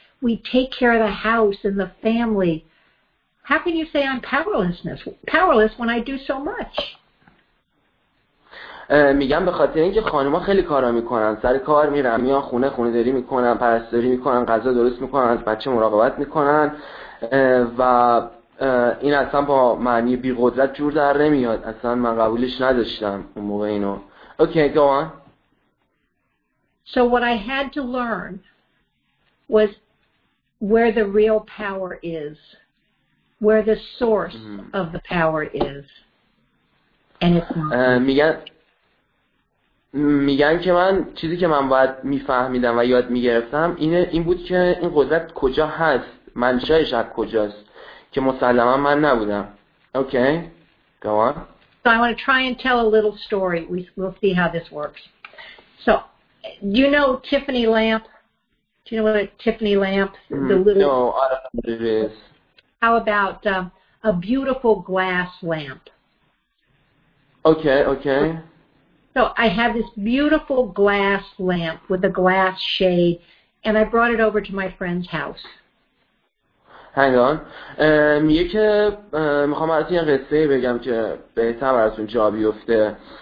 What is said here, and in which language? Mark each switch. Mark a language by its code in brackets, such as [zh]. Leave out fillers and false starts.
[en] We take care of the house and the family. How can you say I'm powerless when I do so much? [fa] میگم به خاطر اینکه خانوما خیلی کارا میکنن، سر کار میرن، میان خونه، خونه‌داری میکنن، پرستاری میکنن، غذا درست میکنن، بچه مراقبت میکنن، و این اصلا با معنی بی قدرت جور در نمیاد. اصلا من قبولش نداشتم اون موقع اینو. [en] Okay, go on. So what I had to learn was where the real power is, where the source of the power is. And it's not. [fa] میگن که من چیزی که من باید میفهمیدم و یاد میگرفتم این بود که این قدرت کجا هست، منشأش از کجاست، که مسلما من نبودم. اوکی okay. [en] So I want to try and tell a little story. We'll see how this works. So do you know Tiffany lamp? Do you know what a Tiffany lamp, the little... No, I don't know what it is. How about a beautiful glass lamp? Okay. So I have this beautiful glass lamp with a glass shade, and I brought it over to my friend's house. Hang on. [fa] میگه که میخوام براتون یه قصه بگم که بهتر براتون جا بیفته.